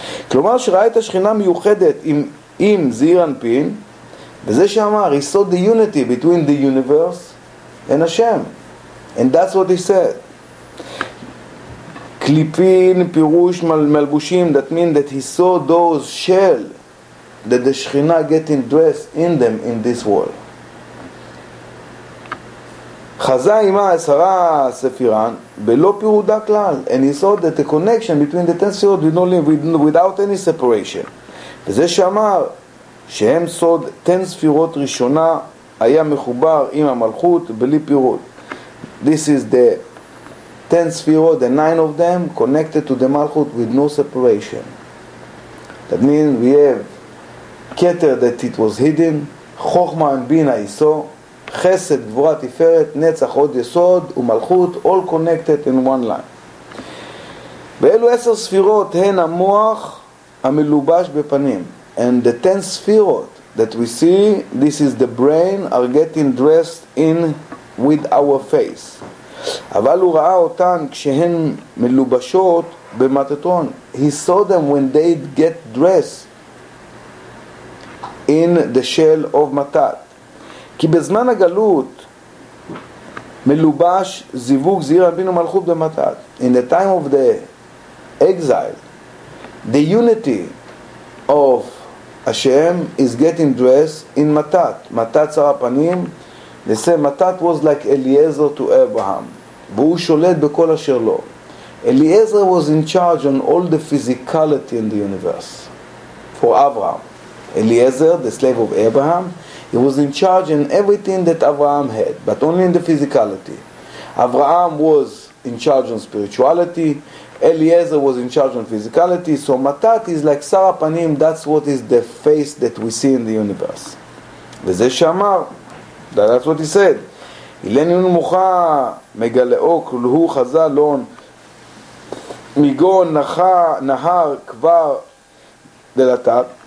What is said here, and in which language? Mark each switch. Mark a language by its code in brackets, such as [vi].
[he] כלומר שראה את השכינה מיוחדת עם זעיר אנפין, וזה שאמר, [en] he saw the unity between the universe and Hashem, and that's what he said. [he] קליפין פירוש מלבושים, [en] that mean that he saw those shell that the שכינה getting dressed in them in this world. [arc] חזה עימה עשרה ספירן בלא פירודה כלל, [en] and he saw that the connection between the 10 ספירות without any separation, [he] וזה שאמר שהם סוד 10 ספירות ראשונה היה מחובר עם המלכות בלי פירוד. [en] This is the 10 ספירות, the 9 of them connected to the מלכות with no separation. That means we have כתר that it was hidden, חוכמה and בינה איסו, חסד, גבורה, תפארת, נצח, עוד יסוד ומלכות, all connected in one line. [he] ואלו 10 ספירות הן המוח המלובש בפנים. [en] And the 10 ספירות that we see, this is the brain, are getting dressed in with our face. [he] אבל הוא ראה אותן כשהן מלובשות במטטון. [en] He saw them when they get dressed in the shell of מטט. [he] כי בזמן הגלות מלובש זיווג זעיר אנפין ומלכות במטט. [en] In the time of the exile, the unity of Hashem is getting dressed in matat, matat sar panim. They say matat was like Eliezer to Abraham, [he] והוא שולט בכל אשר לו. [en] Eliezer was in charge on all the physicality in the universe for Abraham. Eliezer, the slave of Abraham, he was in charge in everything that Abraham had, but only in the physicality. Abraham was in charge on spirituality, Eliezer was in charge of physicality. So Matat is like Sarah Panim, that's what is the face that we see in the universe. [he] וזה שאמר, [en] that's what he said. אילן יון מוכה מגלאו כלהו חזלון מגון נהר כבר דלתת.